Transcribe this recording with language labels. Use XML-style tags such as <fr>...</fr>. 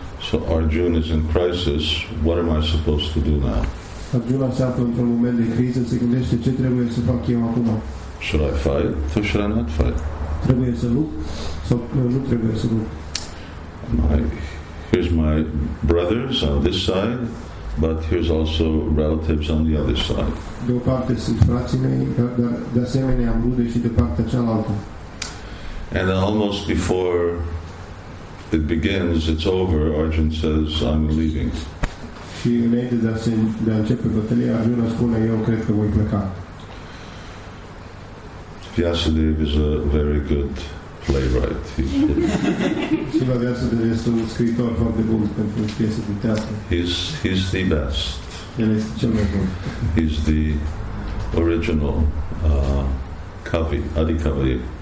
<en>So Arjuna is in crisis. What am I supposed to do now?</en> <ro>Arjuna se află într-un moment de criză, se gândește ce trebuie să fac eu acum.</ro> <en>Should I fight or should I not fight?</en> <ro>Trebuie să lupt sau nu trebuie să lupt?</ro> <en>Here's my brothers on this side, but here's also relatives on the other side.</en> <ro>De o parte sunt frații mei, dar de asemenea am rude și de partea cealaltă.</ro> <en>And almost before it begins, it's over, Arjuna says, I'm leaving.</en> <ro>Și înainte de a începe bătălia, Arjuna spune, eu cred că voi pleca.</ro> <en>Vyasadeva is a very good playwright.</en> <ro>Shiva Vyasadeva este un scriitor foarte bun pentru piese de teatru.</ro> <en>He's the best.</en> <ro>El este cel mai bun.</ro> <en>He's the original Kavi, Adi Kavi.</en>